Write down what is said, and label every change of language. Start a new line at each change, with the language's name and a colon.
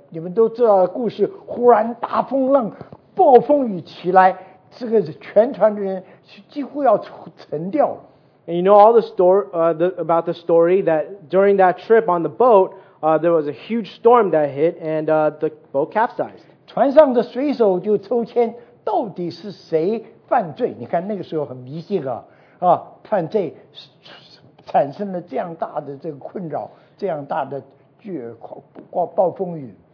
Chinese: 你们都知道故事，忽然大风浪，暴风雨起来，这个全船的人几乎要沉掉。
English: And you know all the story about the story that during that trip on the boat, there was a huge storm that hit and the boat capsized.
Chinese: 船上的水手就抽签，到底是谁犯罪？你看那个时候很迷信啊，啊，犯罪产生了这样大的这个困扰，这样大的巨暴风雨。